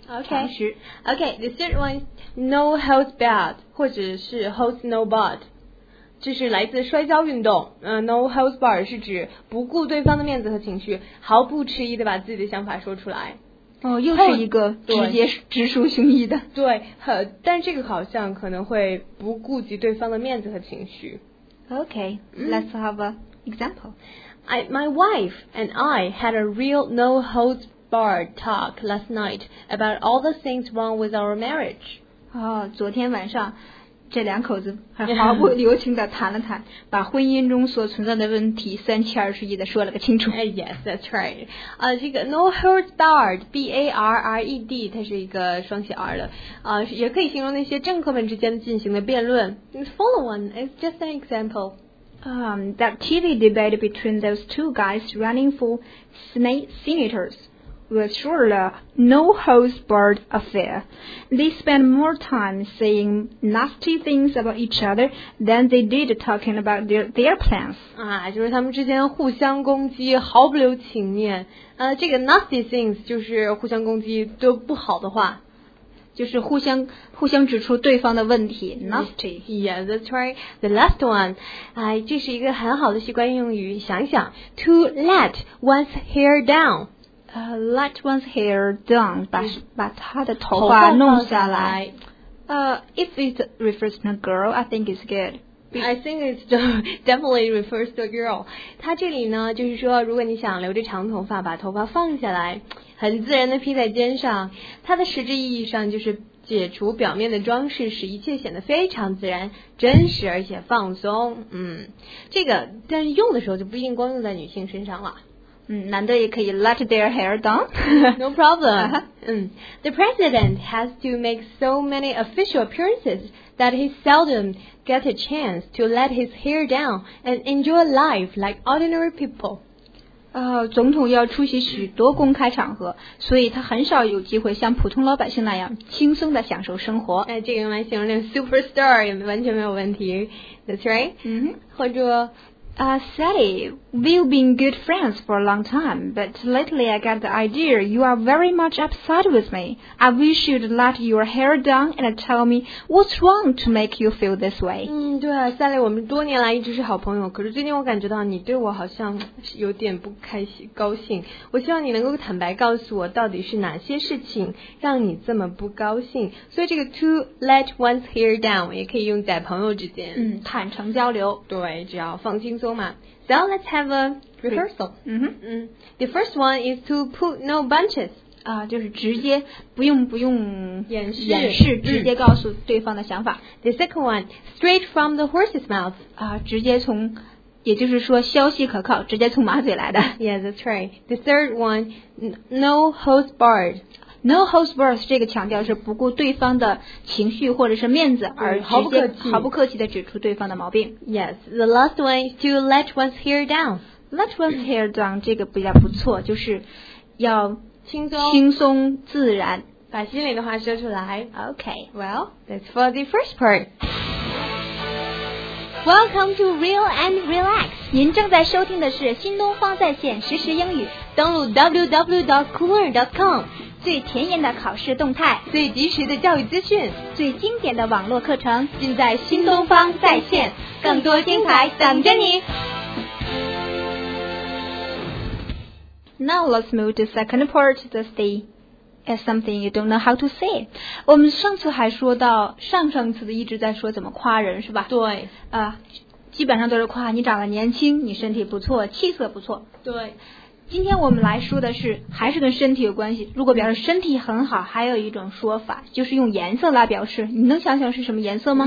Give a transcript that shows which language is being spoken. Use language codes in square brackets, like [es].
[en] okay. OK, the third one is no holds barred, [zh] 或者是 holds no barred, 这是来自摔跤运动、no holds barred 是指不顾对方的面子和情绪，毫不迟疑地把自己的想法说出来。哦，又是一个直接直抒胸臆的。对，但这个好像可能会不顾及对方的面子和情绪。 [en] OK, let's have an example. My wife and I had a real no holds barredBard talk last night about all the things wrong with our marriage. [zh] Oh, 昨天晚上这两口子毫不留情地谈了谈，把婚姻中所存在的问题三七二十一地说了个清楚。 [en] Yes, that's right. [zh] 这个 no holds barred, B-A-R-R-E-D, 它是一个双写 R 的，也可以形容那些政客们之间进行的辩论。 [en] Follow one, it's just an example. That TV debate between those two guys running for senators. Was surely a no holds barred affair. They spent more time saying nasty things about each other than they did talking about their plans. [zh] 啊，就是他们之间互相攻击，毫不留情面。这个 nasty things 就是互相攻击都不好的话，就是互相指出对方的问题。 [en] Nasty. Yeah, that's right. The last one. [zh] 这是一个很好的习惯应用语。想想 to let one's hair down. Let one's hair down, 把他的头发弄下来。 [en] If it refers to a girl, I think it's good. I think it's definitely refers to a girl. [zh] 他这里呢，就是说，如果你想留着长头发，把头发放下来，很自然的披在肩上，它的实质意义上就是解除表面的装饰，使一切显得非常自然、真实而且放松。这个，但是用的时候就不一定光用在女性身上了。男的也可以 let their hair down. [en] No problem. The president has to make so many official appearances that he seldom gets a chance to let his hair down and enjoy life like ordinary people. [zh] 总统要出席许多公开场合，所以他很少有机会像普通老百姓那样轻松地享受生活。这个用来形容那个 superstar 也完全没有问题。 [en] That's right. [zh] 或者 [en] Sally, we've been good friends for a long time, but lately I got the idea you are very much upset with me. I wish you'd let your hair down and tell me what's wrong to make you feel this way. [zh] 对啊 ，Sally， 我们多年来一直是好朋友，可是最近我感觉到你对我好像有点不开心、高兴。我希望你能够坦白告诉我，到底是哪些事情让你这么不高兴。所以这个 to let one's hair down 也可以用在朋友之间，坦诚交流。对，只要放心。 [en] So let's have a rehearsal. The first one is to put no bunches. [zh] 就是直接不用掩饰直接告诉对方的想法。 [en] The second one, straight from the horse's mouth. [zh] 直接从，也就是说消息可靠，直接从马嘴来的。 [en] Yeah, that's right. The third one, no holds barred. [zh] No holds barred 这个强调是不顾对方的情绪或者是面子，而毫不客气地指出对方的毛病。 [en] Yes, the last one is to let one's hair down. [zh] Let one's hair down 这个比较不错，就是要轻松自然，把心里的话说出来。 [en] Okay, well, that's for the first part. Welcome to Real and Relax. [zh] 您正在收听的是新东方在线实时英语，登录 www.cooler.com。最前沿的考试动态，最及时的教育资讯，最经典的网络课程，尽在新东方在线，更多精彩等着你。 [en] Now let's move to second part of the day. It's something you don't know how to say. [zh] 我们上次还说到，上次一直在说怎么夸人，是吧？对。基本上都是夸你长得年轻，你身体不错，气色不错。对。今天我们来说的是还是跟身体有关系，如果表示身体很好，还有一种说法就是用颜色来表示，你能想想是什么颜色吗？